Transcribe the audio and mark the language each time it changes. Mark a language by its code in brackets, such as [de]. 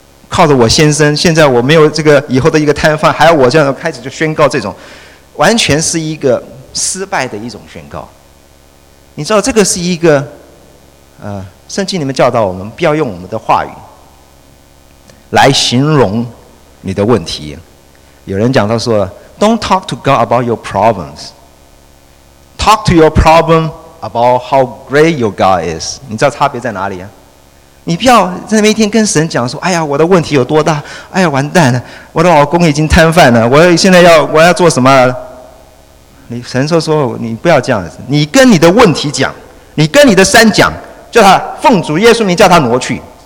[zh] 靠着我先生，现在我没有这个以后的一个摊贩，还有我这样开始就宣告这种，完全是一个失败的一种宣告。你知道这个是一个圣经里面教导我们不要用我们的话语来形容你的问题。有人讲到说 [en] Don't talk to God about your problems. Talk to your problem about how great your God is. [zh] 你知道差别在哪里啊？你不要在那边一天跟神讲说，哎呀，我的问题有多大，哎呀，完蛋了，我的老公已经瘫痪了，我现在要做什么。你神说说你不要这样子，你跟你的问题讲，你跟你的山讲，叫他奉主耶稣名叫他挪去。